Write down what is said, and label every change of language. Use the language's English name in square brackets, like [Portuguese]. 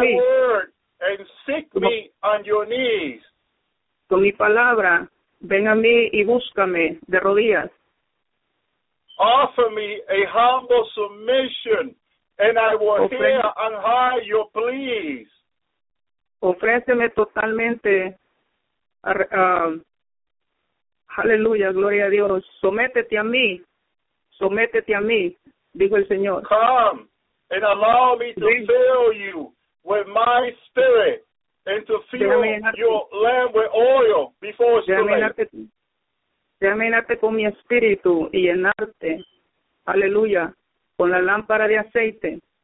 [English] my word and seek me on your knees. [Spanish] Con mi palabra, ven a mí y búscame de rodillas. [English] Offer me a humble submission and I will hear on high your pleas. [Spanish] Ofréceme totalmente Aleluya, gloria a Dios. Sométete a mí, dijo el Señor. [English] Come and allow me to Ven. Fill you with my spirit and to fill [Spanish] Déjame [English] your lamp with oil before it's [Spanish] Déjame [English] too late. [Spanish] Déjame llenarte con mi espíritu y llenarte, aleluya, con la lámpara de aceite.